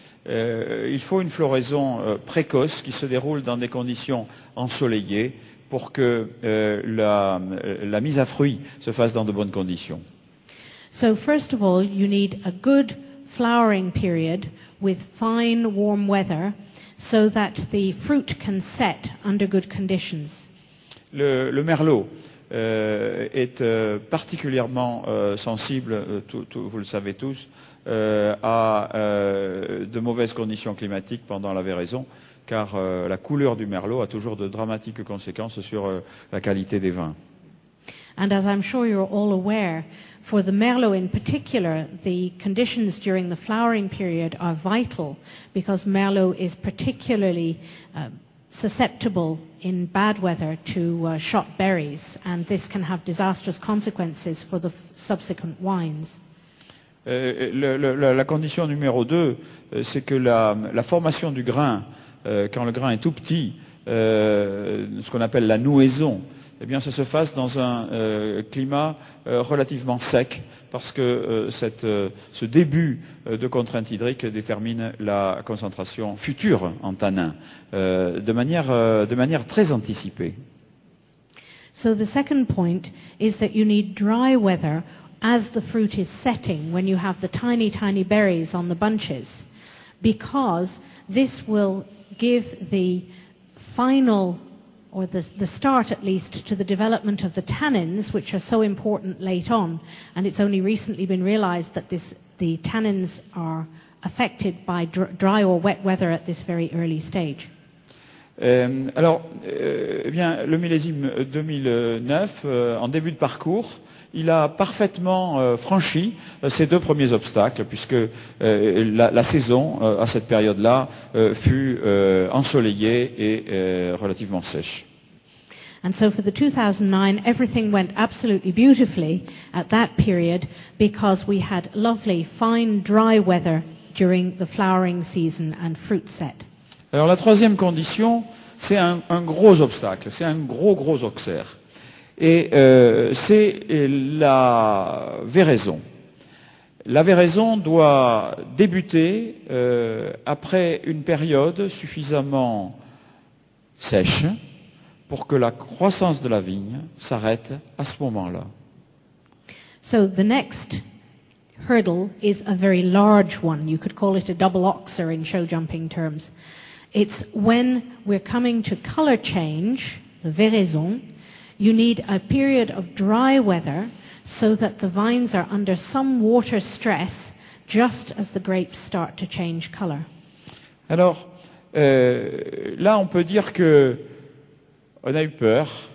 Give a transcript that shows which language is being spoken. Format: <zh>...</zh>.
<fr>Il faut une floraison précoce qui se déroule dans des conditions ensoleillées, pour que la mise à fruit se fasse dans de bonnes conditions.</fr> <en>So first of all, you need a good flowering period with fine warm weather so that the fruit can set under good conditions.</en> <fr>Le merlot est particulièrement sensible, vous le savez tous, à de mauvaises conditions climatiques pendant la véraison, car la couleur du merlot a toujours de dramatiques conséquences sur la qualité des vins.</fr> <en>And as I'm sure you're all aware, for the merlot in particular, the conditions during the flowering period are vital, because merlot is particularly susceptible in bad weather to shot berries, and this can have disastrous consequences for the subsequent wines.</en> <fr>La condition numéro 2, c'est que la formation du grain, quand le grain est tout petit, ce qu'on appelle la nouaison, eh bien, ça se fasse dans un climat relativement sec, parce que ce début de contrainte hydrique détermine la concentration future en tanin, de manière très anticipée.</fr> <en>So the second point is that you need dry weather as the fruit is setting, when you have the tiny, tiny berries on the bunches, because this will give the final, or the start at least, to the development of the tannins, which are so important late on. And it's only recently been realized that the tannins are affected by dry or wet weather at this very early stage.</en> <fr>Le millésime 2009, en début de parcours, il a parfaitement franchi ces deux premiers obstacles, puisque la saison, à cette période-là, fut ensoleillée et relativement sèche.</fr> <en>And so for the 2009, everything went absolutely beautifully at that period, because we had lovely, fine, dry weather during the flowering season and fruit set.</en> <fr>Alors la troisième condition, c'est un gros obstacle, c'est un gros auxerre. Et c'est la véraison. La véraison doit débuter après une période suffisamment sèche pour que la croissance de la vigne s'arrête à ce moment-là.</fr> <en>So the next hurdle is a very large one. You could call it a double oxer in show jumping terms. It's when we're coming to color change, the véraison. You need a period of dry weather so that the vines are under some water stress just as the grapes start to change color.</en> <fr>Alors, là on peut dire que on a eu peur,</fr>